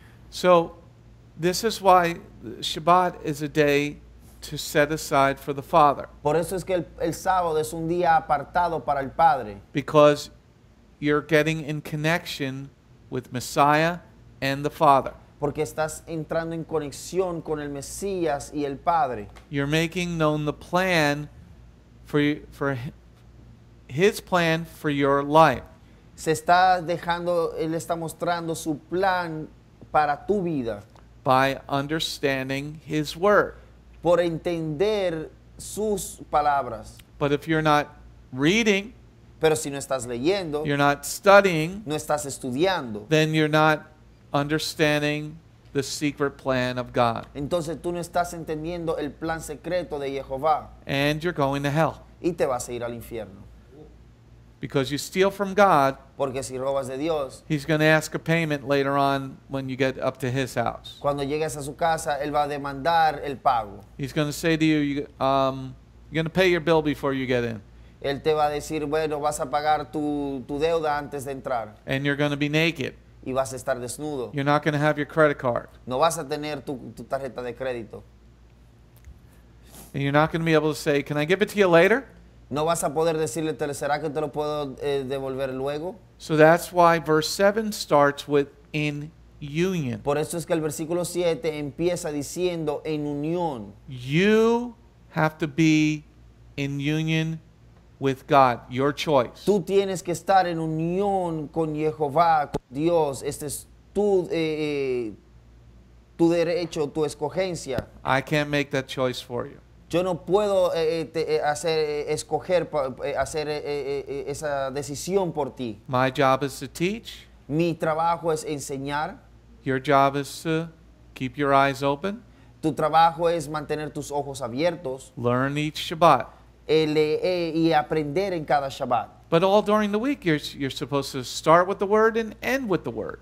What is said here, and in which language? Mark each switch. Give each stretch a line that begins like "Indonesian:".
English: So, this is why Shabbat is a day to set aside for the Father.
Spanish: Por eso es que el sábado es un día apartado para el Padre.
English: Because you're getting in connection with Messiah and the Father.
Spanish: Porque estás entrando en conexión con el Mesías y el Padre.
English: You're making known the plan for his plan for your life.
Spanish: Se está dejando, él está mostrando su plan para tu vida.
English: By understanding his word.
Spanish: Por entender sus palabras.
English: But if you're not reading,
Spanish: pero si no estás leyendo,
English: you're not studying,
Spanish: no estás estudiando,
English: then you're not understanding the secret plan of God.
Spanish: Entonces tú no estás entendiendo el plan secreto de Jehovah.
English: And you're going to hell.
Spanish: Y te vas a ir al infierno.
English: Because you steal from God.
Spanish: Porque si robas de Dios.
English: He's going to ask a payment later on when you get up to his house.
Spanish: Cuando llegues a su casa, él va a demandar el pago.
English: He's going to say to you, you're going to pay your bill before you get in.
Spanish: Él te va a decir, bueno, vas a pagar tu deuda antes de entrar.
English: And you're going to be naked.
Spanish: Y vas a estar desnudo.
English: You're not going to have your credit card.
Spanish: No vas a tener tu tarjeta de crédito.
English: And you're not going to be able to say, can I give it to you later?
Spanish: No vas a poder decirle, ¿será que te lo puedo devolver luego?
English: So that's why verse 7 starts with in union.
Spanish: Por eso es que el versículo 7 empieza diciendo en unión.
English: You have to be in union with God, your choice.
Spanish: Tú tienes que estar en unión con Jehovah, con Dios. Este es tu derecho, tu escogencia.
English: I can't make that choice for you.
Spanish: Yo no puedo hacer esa decisión por ti.
English: My job is to teach.
Spanish: Mi trabajo es enseñar.
English: Your job is to keep your eyes open.
Spanish: Tu trabajo es mantener tus ojos abiertos.
English: Learn each Shabbat.
Spanish: Y aprender en cada Shabbat.
English: But all during the week, you're supposed to start with the Word and end with the Word.